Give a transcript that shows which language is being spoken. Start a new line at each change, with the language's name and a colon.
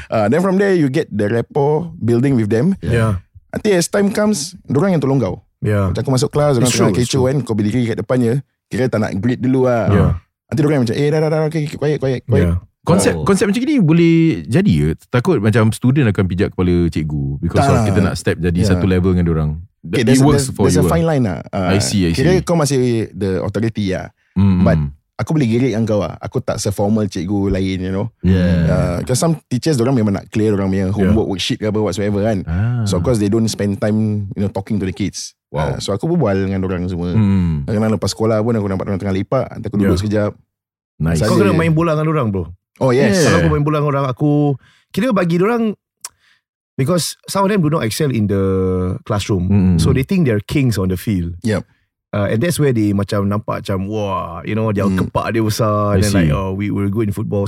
English: Then from there, you get the rapport building with them.
Malay: Nanti
English: as time comes,
Malay: dorang yang tolong kau. Macam aku masuk kelas, orang tengah kecoh kan, kau berdiri kat depannya. Kira tak nak greet dulu lah. Nanti dorang macam, dah,
English: okay, quiet.
Malay: Konsep macam ni boleh jadi ke? Takut macam student akan pijak kepala cikgu.
English: Because
Malay: kita nak step jadi satu level dengan dorang.
English: Okay, there's a fine line lah. I see.
Malay: Kira kau masih
English: the authority
Malay: lah.
English: But
Malay: aku boleh gerik dengan kau lah. Aku tak seformal cikgu lain,
English: you know. Because some teachers
Malay: dorang memang nak clear dorang punya
English: homework, worksheet
Malay: ke apa,
English: whatsoever
Malay: kan.
English: So of course they don't spend time, you know, talking to the kids.
Malay: So aku berbual dengan dorang semua. Kena lepas sekolah pun aku nampak dorang tengah lepak. Nanti aku duduk sekejap.
English: Nice.
Malay: Kau kena main bola dengan dorang bro.
English: Oh yes.
Malay: Kalau aku main bola dengan orang, aku kira bagi dorang.
English: Because some of them do not excel in the classroom. So they think they're kings on the field. Yep. And that's where they
Malay: macam nampak macam, wah,
English: you know,
Malay: dia kepak dia besar.
English: And then like, oh, we're good in football.